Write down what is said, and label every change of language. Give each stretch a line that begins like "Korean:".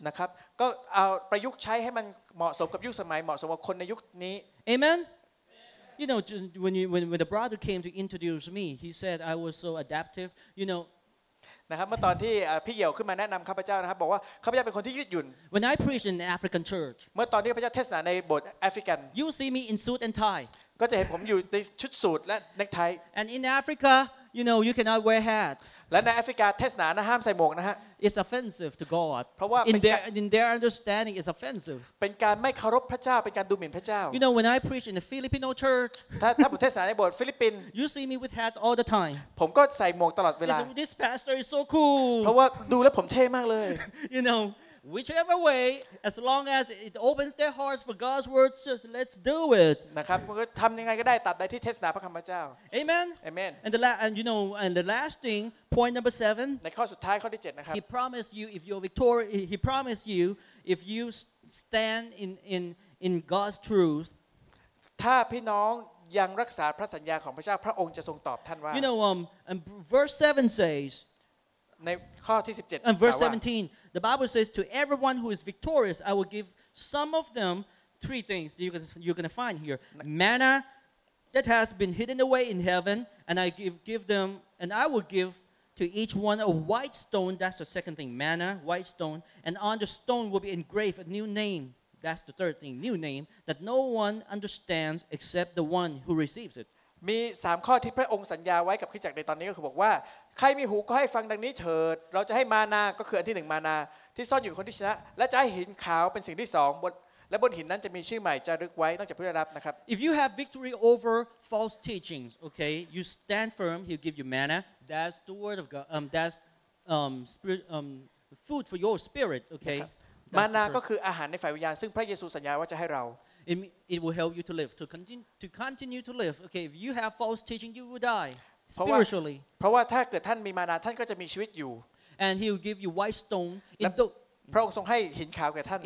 Thai: นะครับก็เอาประยุกต์ใช้ให้มันเหมาะสมกับยุคสมัยเหมาะสมกับคนในยุคนี้
English: Amen You know when the brother came to introduce me he said I was so adaptive you know
Thai: นะครับเมื่อตอนที่พี่เหี่ยวขึ้นมาแนะนำข้าพเจ้านะครับบอกว่าข้าพเจ้าเป็นคนที่ยืดหยุ่น
English: When I preach in African church
Thai: เมื่อตอนที่พระเจ้าเทศนาในโบสถ์แอฟริกัน
English: You see me in suit and tie
Thai: ก็จะเห็นผมอยู่ในชุดสูทและเนคไท
English: And in Africa you know you cannot wear hat
Thai: และในแอฟริกาเทศนานะห้ามใส่หมวกนะฮะ
English: It's offensive to God
Thai: เพราะว่า
English: in their understanding it's offensive
Thai: เป็นการไม่เคารพพระเจ้าเป็นการดูหมิ่นพระเจ้า
English: You know when I preach in the Filipino church
Thai: ถ้าผมเทศนาในโบสถ์ฟิลิปปิน
English: You see me with hats all the time
Thai: ผมก็ใส่หมวกตลอดเวลา
English: This pastor is so cool
Thai: เพราะว่าดูแล้วผมเท่มากเลย
English: You knowWhichever way, as long as it opens their hearts for God's words, just let's do it.
Thai: นะครับก็ทำยังไงก็ได้ตัดได้ที่เทศนาพระคำพระเจ้า
English: Amen. Amen. And the last thing, point number seven. ในข้อสุดท้ายข้อที่7นะครับ He promised you if you're victorious. He promised you if you stand in God's truth.
Thai: ถ้าพี่น้องยังรักษาพระสัญญาของพระเจ้าพระองค์จะทรงตอบท่านว่า
English: You know, and verse 7 says.
Thai: ในข้อที่17
English: and verse 17 the bible says to everyone who is victorious I will give some of them three things that you're going to find here manna that has been hidden away in heaven and I will give to each one a white stone that's the second thing manna white stone and on the stone will be engraved a new name that's the third thing new name that no one understands except the one who receives it
Thai: มี3ข้อที่พระองค์สัญญาไว้กับคริสตจักรในตอนนี้ก็คือบอกว่าใครมีหูก็ให้ฟังดังนี้เถิดเราจะให้มานาก็คืออันที่1มานาที่ซ่อนอยู่คนที่ชนะและจะให้หินขาวเป็นสิ่งที่2บนและบนหินนั้นจะมีชื่อใหม่จารึกไว้ตั้งแต่พุทธรับนะครับ
English: If you have victory over false teachings okay you stand firm he'll give you manna that's the word of god that's spirit food for your spirit okay
Thai: มานาก็คืออาหารในฝ่ายวิญญาณซึ่งพระเยซูสัญญาว่าจะให้เรา
English: It will help you to live, to continue to live. Okay, if you have false teaching, you will die spiritually.
Thai: เพราะว่าถ้าเกิดท่านมีมานาท่านก็จะมีชีวิตอยู่
English: And he will give you white stone.
Thai: พระองค์ทรงให้หินขาวแก่ท่าน